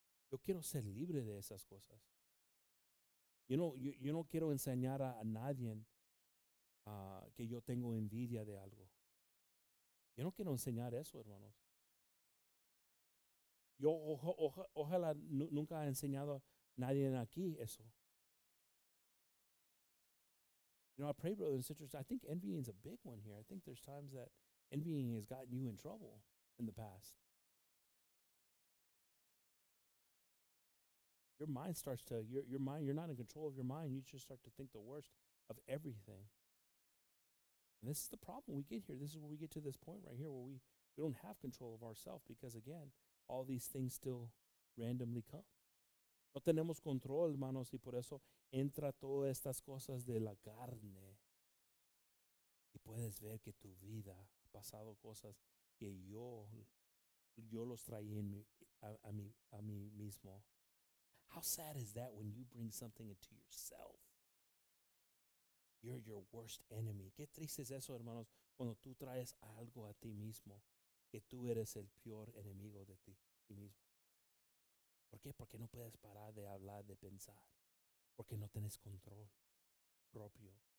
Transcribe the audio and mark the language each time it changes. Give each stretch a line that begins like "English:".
Spanish: Yo quiero ser libre de esas cosas. Yo no quiero enseñar a nadie que yo tengo envidia de algo. Yo no quiero enseñar eso, hermanos. Yo ojalá nunca haya enseñado a nadie aquí eso.
English: You know, I pray, brothers and sisters, I think envying is a big one here. I think there's times that envying has gotten you in trouble in the past. Your mind starts to, your mind, you're not in control of your mind. You just start to think the worst of everything. And this is the problem we get here. This is where we get to this point right here where we don't have control of ourselves because, again, all these things still randomly come.
Spanish: No tenemos control, hermanos, y por eso entra todas estas cosas de la carne. Y puedes ver que tu vida ha pasado cosas que yo los traí en mí mismo.
English: How sad is that when you bring something into yourself? You're your worst enemy.
Spanish: Qué triste es eso, hermanos, cuando tú traes algo a ti mismo, que tú eres el peor enemigo de ti mismo. ¿Por qué? Porque no puedes parar de hablar, de pensar. Porque no tienes control propio.